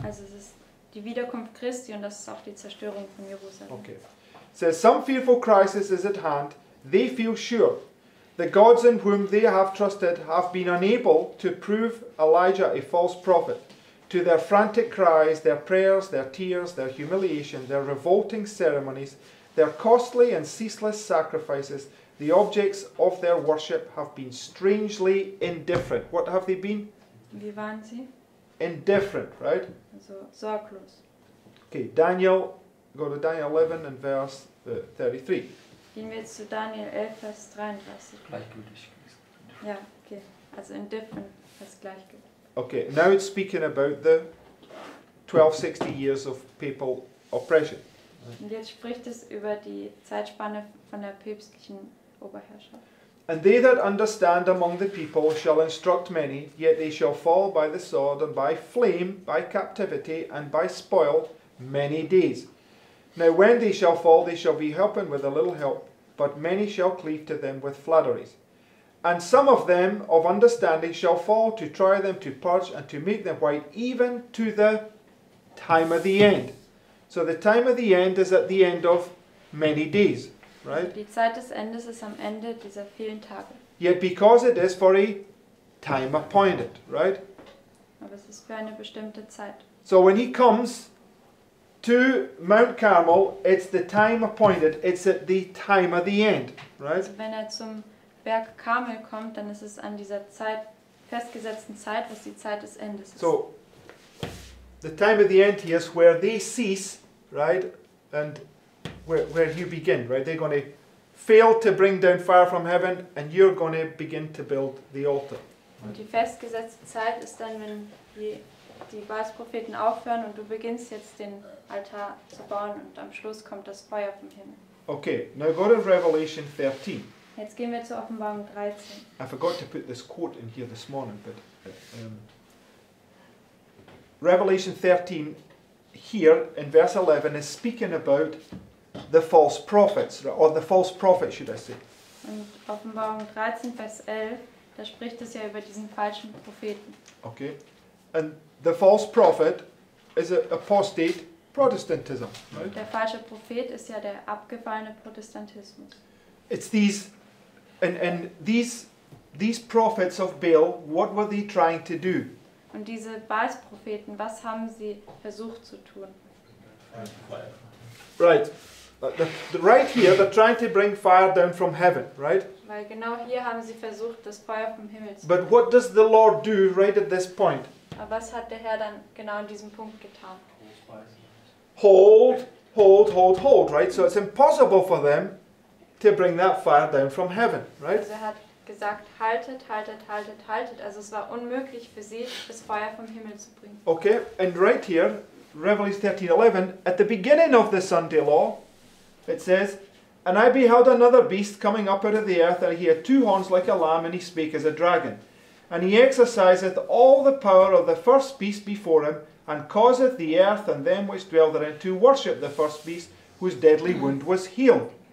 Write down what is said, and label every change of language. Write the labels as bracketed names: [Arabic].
[German] Also es ist die Wiederkunft Christi und das ist auch die Zerstörung von Jerusalem. [English] Okay. It says some fearful crisis is at hand. They feel sure. The gods in whom they have trusted have been unable to prove Elijah a false prophet. To their frantic cries, their prayers, their tears, their humiliation, their revolting ceremonies, their costly and ceaseless sacrifices, the objects of their worship have been strangely indifferent. What have they been? [German] Wie waren sie? [English] Indifferent, right? [German] Also, sorglos. [English] Okay, Daniel, go to Daniel 11 and verse 33. [German] Gehen wir jetzt zu Daniel 11, Vers 33. Gleichgültig. Ja, okay. Also indifferent, das gleichgültig. [English] Okay, now it's speaking about the 1260 years of papal oppression. [German] Und jetzt spricht es über die Zeitspanne von der päpstlichen Oberherrschaft. [English] And they that understand among the people shall instruct many, yet they shall fall by the sword and by flame, by captivity and by spoil many days. Now when they shall fall, they shall be helping with a little help, but many shall cleave to them with flatteries. And some of them of understanding shall fall to try them to purge and to make them white, even to the time of the end. So the time of the end is at the end of many days, right? [German] Die Zeit des Endes ist am Ende dieser vielen Tage. [English] Yet because it is for a time appointed, right? [German] Aber es ist für eine bestimmte Zeit. [English] So when he comes to Mount Carmel, it's the time appointed, it's at the time of the end, right? [German] Also wenn er zum Berg Carmel kommt, dann ist es an dieser Zeit, festgesetzten Zeit, was die Zeit des Endes ist. [English] So, the time of the end here is where they cease, right? And where you begin, right? They're going to fail to bring down fire from heaven and you're going to begin to build the altar. [German] Und die festgesetzte Zeit ist dann, wenn die Baalspropheten aufhören und du beginnst jetzt den Altar zu bauen und am Schluss kommt das Feuer vom Himmel. [English] Okay, now go to Revelation 13. [German] Jetzt gehen wir zur Offenbarung 13. [English] I forgot to put this quote in here this morning, but Revelation 13 here in verse 11 is speaking about the false prophets, or the false prophet, should I say. [German] Und Offenbarung 13, Vers 11, da spricht es ja über diesen falschen Propheten. [English] Okay. And the false prophet is an apostate Protestantism, right? [German] Der falsche Prophet ist ja der abgefallene Protestantismus. [English] It's these, and these prophets of Baal, what were they trying to do? [German] Und diese Baalspropheten, was haben sie versucht zu tun? [English] Right. The right here, they're trying to bring fire down from heaven, right? [German] Weil genau hier haben sie versucht, das Feuer vom Himmel zu. [English] But what does the Lord do right at this point? [German] Aber was hat der Herr dann genau an diesem Punkt getan? [English] Hold, hold, hold, hold, right? So it's impossible for them to bring that fire down from heaven, right? [German] Also er hat gesagt, haltet, haltet, haltet, haltet. Also es war unmöglich für sie, das Feuer vom Himmel zu bringen. [English] Okay, and right here, Revelation 13:11, at the beginning of the Sunday law, it says, and I beheld another beast coming up out of the earth, and he had two horns like a lamb, and he spake as a dragon. And he exerciseth all the power of the first beast before him, and causeth the earth and them which dwell therein to worship the first beast, whose deadly wound was healed.